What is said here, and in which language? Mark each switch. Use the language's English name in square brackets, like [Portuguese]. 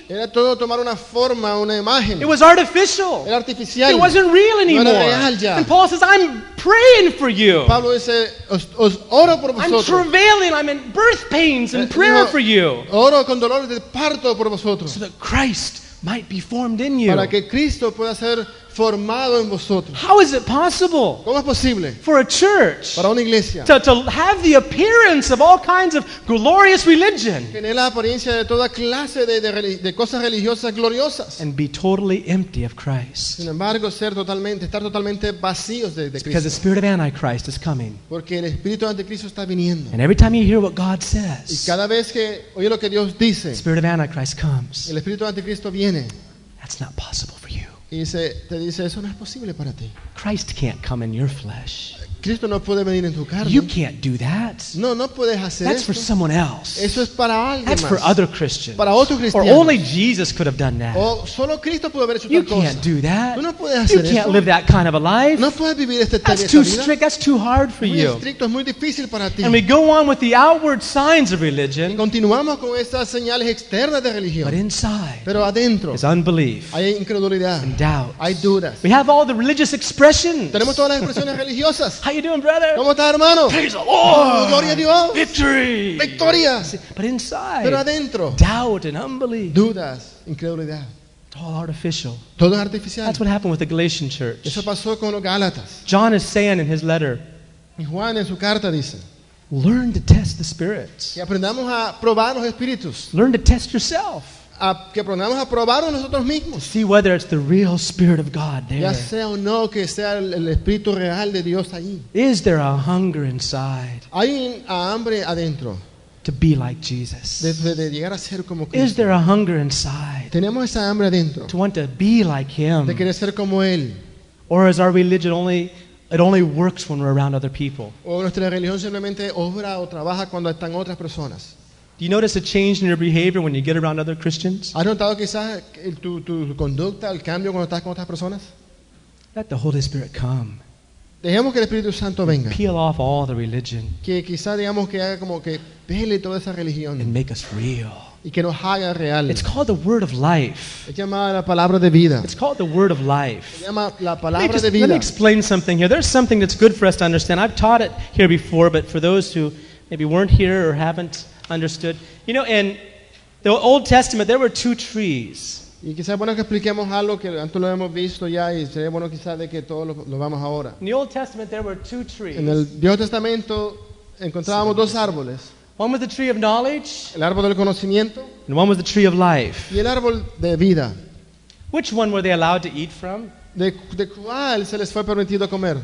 [Spanish] Era todo tomar una forma, una imagen. [English] It was artificial. [Spanish] Era artificial. [English] It wasn't real anymore. [Spanish] No era real ya. [English] And Paul says, I'm praying for you. [Spanish] Pablo dice, os oro por vosotros. [English] I'm travailing, I'm in birth pains and prayer [Spanish] dijo, [English] for you. [Spanish] Oro con dolores de parto por vosotros. [English] So that Christ might be formed in you. [Spanish] Para que Cristo pueda ser formado en vosotros. [English] How is it possible? [Spanish] ¿Cómo es posible? [English] For a church. [Spanish] Para una iglesia. [English] To have the appearance of all kinds of glorious religion. [Spanish] Tener la apariencia de toda clase de cosas religiosas gloriosas. [English] And be totally empty of Christ. [Spanish] Sin embargo, estar totalmente vacíos de Cristo. [English] Because the spirit of Antichrist is coming. [Spanish] Porque el espíritu de Anticristo está viniendo. [English] And every time you hear what God says. [Spanish] Y cada vez que oye lo que Dios dice. [English] The spirit of Antichrist comes. [Spanish] El espíritu de Anticristo viene. [English] That's not possible for you. [Spanish] Y te dice, eso no es posible para ti. [English] Christ can't come in your flesh. [Spanish] Cristo no puede venir en tu carne. [English] You can't do that. [Spanish] No puedes hacer eso. [English] That's for someone else. [Spanish] Eso es para alguien [English] That's [Spanish] más. [English] For other Christians. [Spanish] Para otros cristianos. [English] Or only Jesus could have done that. [Spanish] O solo Cristo pudo haber hecho [English] you [Spanish] tal cosa. [English] You can't do that. [Spanish] No puedes hacer eso. [English] Can't live that kind of a life. [Spanish] No puedes vivir este [English] That's too strict. That's too hard for [Spanish] muy [English] you. [Spanish] Estricto, es muy difícil para ti. [English] And we go on with the outward signs of religion. [Spanish] Y continuamos con estas señales externas de religión. [English] But inside [Spanish] pero adentro [English] is unbelief. [Spanish] Hay incredulidad. [English] And doubt. [Spanish] Hay dudas. [English] We have all the religious expressions. [Spanish] Tenemos todas las expresiones religiosas. [English] How you doing, brother? [Spanish] ¿Cómo estás, hermano? [English] Praise the Lord. [Spanish] Gloria a Dios. [English] Victory. [Spanish] Victoria. [English] But inside. [Spanish] Pero adentro. [English] Doubt and unbelief. [Spanish] Dudas, incredulidad. [English] It's all artificial. [Spanish] Todo artificial. [English] That's what happened with the Galatian church. [Spanish] Eso pasó con los Gálatas. [English] John is saying in his letter. [Spanish] Y Juan en su carta dice. [English] Learn to test the spirits. [Spanish] Que aprendamos a probar los espíritus. [English] Learn to test yourself. [Spanish] Que aprendamos a probarlo nosotros mismos. [English] See whether it's the real Spirit of God there. [Spanish] Ya sea o no que sea el Espíritu real de Dios ahí. [English] Is there a hunger inside? [Spanish] Hay hambre adentro. [English] to be like Jesus? [Spanish] De llegar a ser como Cristo. [English] Is there a hunger inside? [Spanish] Tenemos esa hambre adentro. [English] To want to be like Him. [Spanish] De querer ser como Él. [English] Or is our religion only, it only works when we're around other people? [Spanish] O nuestra religión simplemente obra o trabaja cuando están otras personas. [English] Do you notice a change in your behavior when you get around other Christians? [Spanish] ¿Has notado quizás tu conducta, el cambio cuando estás con otras personas? [English] Let the Holy Spirit come. [Spanish] Dejemos que el Espíritu Santo venga. [English] And peel off all the religion. [Spanish] Que quizás digamos que haga como que pele toda esa religión. [English] And make us real. [Spanish] Y que nos haga reales. [English] It's called the Word of Life. [Spanish] Es llamada la palabra de vida. [English] It's called the Word of Life. [Spanish] Se llama la palabra de vida. [English] Let me explain something here. There's something that's good for us to understand. I've taught it here before, but for those who maybe weren't here or haven't understood. You know, in the Old Testament, there were two trees. [Spanish] Y quizás bueno que expliquemos algo que antes lo hemos visto ya y sería bueno quizás de que todos lo vamos ahora. [English] In the Old Testament, there were two trees. [Spanish] En el Viejo Testamento encontrábamos dos árboles. [English] One was the tree of knowledge. [Spanish] El árbol del conocimiento. [English] And one was the tree of life. [Spanish] Y el árbol de vida. [English] Which one were they allowed to eat from? [Spanish] De cuál se les fue permitido comer?